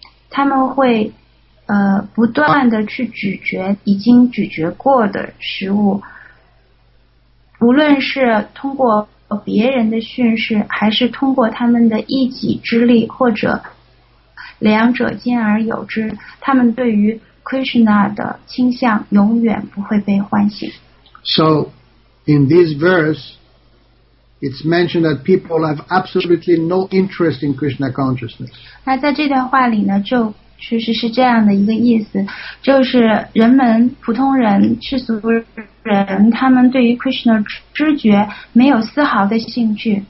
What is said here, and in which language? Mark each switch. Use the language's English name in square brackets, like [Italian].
[Chinese] 他们会不断的去咀嚼已经咀嚼过的食物，无论是通过别人的训示，还是通过他们的一己之力，或者两者兼而有之，他们对于 Krishna 的倾向永远不会被唤醒。 [English] So, in this verse, it's mentioned that people have absolutely no interest in Krishna consciousness. [Chinese] 那在这段话里呢，就其实是这样的一个意思，就是人们、普通人、世俗人，他们对于 Krishna 知觉没有丝毫的兴趣。